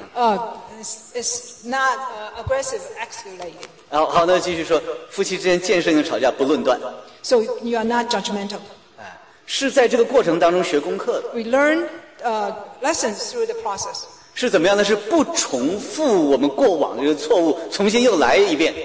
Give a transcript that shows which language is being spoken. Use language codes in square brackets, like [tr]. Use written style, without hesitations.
[en] It's not aggressive escalating. [zh] 好，那继续说，夫妻之间建设性的吵架不论断。 [en] So you are not judgmental. [zh] 是在这个过程当中学功课的。 [en] We learn lessons through the process. [zh] 是怎么样呢？是不重复我们过往的错误，重新又来一遍。